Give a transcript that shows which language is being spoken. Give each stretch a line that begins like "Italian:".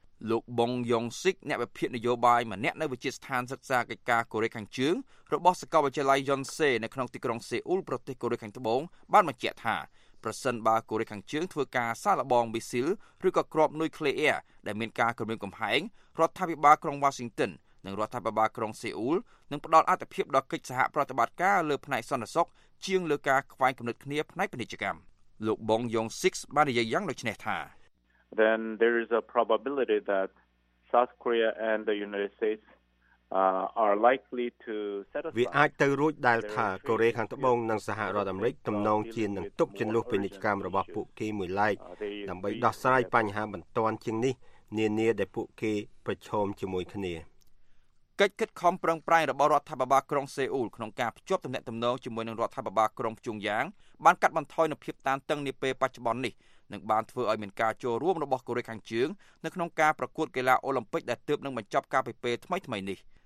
Khmer: លោកបុងយ៉ុងស៊ីកអ្នកវិភាគនយោបាយម្នាក់នៅវិទ្យាស្ថានសិក្សាកិច្ចការកូរ៉េខាងជើងរបស់សាកលវិទ្យាល័យយុនសេនៅក្នុងទីក្រុងសេអ៊ូលប្រទេសកូរ៉េខាងត្បូងបានបញ្ជាក់ថាប្រសិនបើកូរ៉េខាងជើងធ្វើការសាកល្បងមីស៊ីលឬក៏គ្រាប់នុយក្លេអ៊ែរដែលមានការគម្រាមកំហែងរដ្ឋាភិបាលក្រុងវ៉ាស៊ីនតោននឹងរដ្ឋាភិបាលក្រុងសេអ៊ូលនឹងផ្ដល់អត្ថប្រយោជន៍ដល់កិច្ចសហប្រតិបត្តិការលើផ្នែកសន្តិសុខជាងលើការខ្វែងគំនិតគ្នាផ្នែកពាណិជ្ជកម្មលោកបុងយ៉ុង6បាននិយាយយ៉ាងដូចនេះថា
English: Then there is a probability that South Korea and the United States are likely to set up
Khmer: វាអាចទៅរួចដែលថាកូរ៉េខាងត្បូងនិងសហរដ្ឋអាមេរិកទំនងជានឹងទប់ចំនួនពាណិជ្ជកម្មរបស់ពួកគេមួយឡែកដើម្បីដោះស្រាយបញ្ហាបន្ទាន់ជាងនេះនានាដែលពួកគេប្រឈមជាមួយគ្នា កិច្ចខិតខំប្រឹងប្រែងរបស់រដ្ឋាភិបាលក្រុងសេអ៊ូលក្នុងការភ្ជាប់ទំនាក់ទំនងជាមួយនឹងរដ្ឋាភិបាលក្រុងព្យុងយ៉ាងបានកាត់បន្ថយនូវភាពតានតឹងនាពេលបច្ចុប្បន្ននេះនិងបានធ្វើឲ្យមានការចូលរួមរបស់កូរ៉េខាងជើងនៅក្នុងការប្រកួតកីឡាអូឡ িম্প ិកដែលទើបនឹងបញ្ចប់ការប្រកួតថ្មីៗនេះ